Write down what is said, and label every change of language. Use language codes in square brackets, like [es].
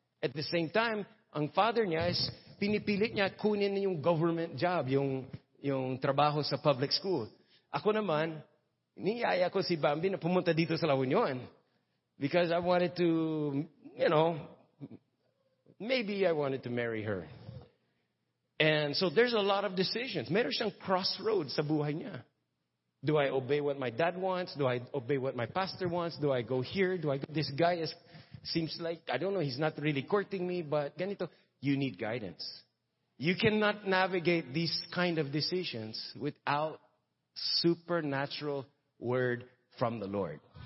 [en] At the same time, [tl] ang father niya is pinipilit niya kunin yung government job, yung trabaho sa public school. Ako naman, niyaya ko si Bambi na pumunta dito sa La Union [en] because I wanted to, you know, maybe I wanted to marry her. And so there's a lot of decisions. [tl] Meron siyang crossroads sa buhay niya. [en] Do I obey what my dad wants? Do I obey what my pastor wants? Do I go here? Do I go? This guy is, seems like, I don't know, he's not really courting me, but ganito. You need guidance. You cannot navigate these kind of decisions without supernatural word from the Lord.